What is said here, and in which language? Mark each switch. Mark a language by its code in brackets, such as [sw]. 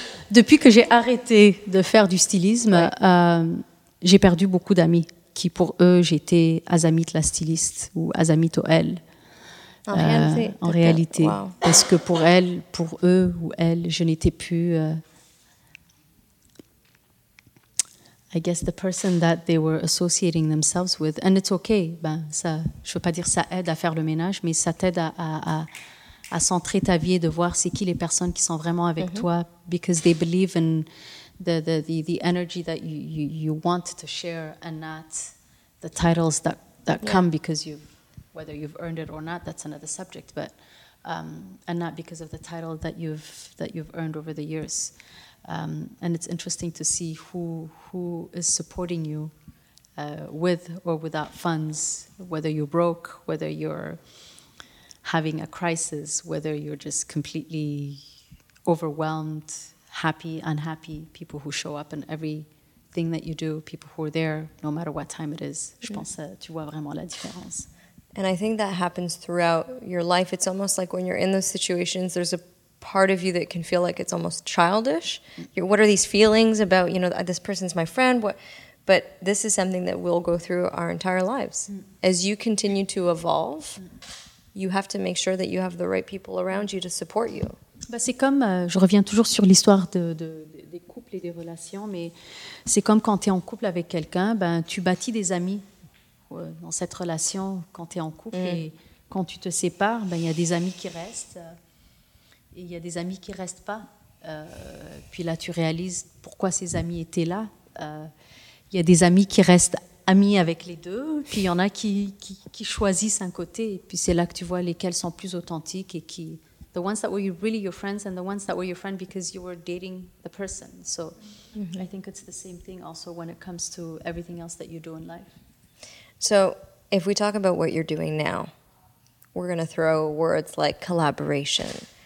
[fr] Depuis que j'ai arrêté de faire du stylisme, j'ai perdu beaucoup d'amis qui, pour eux, j'étais Azamit la styliste ou Azamit OL. En réalité. [en] Wow. [fr] Parce que pour eux ou elle, je n'étais plus... [en] I guess the person that they were associating themselves with, and it's okay. [fr] Ben, ça, je veux pas dire ça aide à faire le ménage, mais ça t'aide à centrer ta vie et de voir c'est qui les personnes qui sont vraiment avec toi, [en] because they believe in the energy that you want to share and not the titles that come because you, whether you've earned it or not, that's another subject, but and not because of the title that you've earned over the years. And it's interesting to see who is supporting you with or without funds, whether you're broke, whether you're having a crisis, whether you're just completely overwhelmed, happy, unhappy, people who show up in everything that you do, people who are there, no matter what time it is. [fr] Je pense que tu vois vraiment la différence. [en] And I think that happens throughout your life. It's almost like when you're in those situations, there's a part of you that can feel like it's almost childish. You're, what are these feelings about, you know, this person's my friend? What? But this is something that we'll go through our entire lives. As you continue to evolve, you have to make sure that you have the right people around you to support you. [fr] Bah, c'est comme, je reviens toujours sur l'histoire des couples et des relations, mais c'est comme quand tu es en couple avec quelqu'un, bah, tu bâtis des amis dans cette relation quand tu es en couple. Mm. Et quand tu te sépares, bah, y a des amis qui restent et il y a des amis qui ne restent pas. Puis là, tu réalises pourquoi ces amis étaient là. Y a des amis qui restent amis avec les deux, puis il y en a qui choisissent un côté, et puis c'est là que tu vois lesquels sont plus authentiques et qui... [en] The ones that were really your friends and the ones that were your friend because you were dating the person. So mm-hmm. I think it's the same thing also when it comes to everything else that you do in life. So if we talk about what you're doing now, we're going to throw words like collaboration.